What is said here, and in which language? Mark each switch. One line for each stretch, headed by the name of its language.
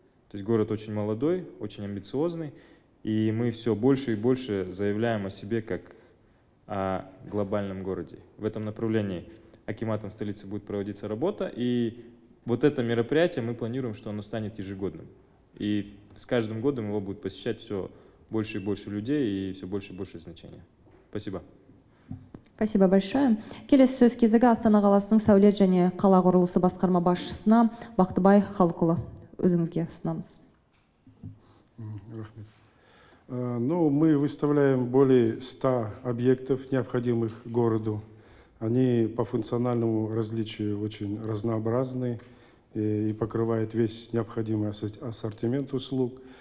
Russian: То есть город очень молодой, очень амбициозный. И мы все больше и больше заявляем о себе как о глобальном городе. В этом направлении акиматом столицы будет проводиться работа. И вот это мероприятие мы планируем, что оно станет ежегодным. И с каждым годом его будет посещать все больше и больше людей и все больше и больше значения. Спасибо. Спасибо большое.
Kazakh: Келесі сөз кезегі Астана қаласының сәулет және қала құрылысы басқарма басшысына Бақтыбай Халқұлы. Өзіңізге ұсынамыз. Рахмет.
Russian: Ну, мы выставляем более 100 объектов, необходимых городу. Они по функциональному различию очень разнообразны и покрывают весь необходимый ассортимент услуг.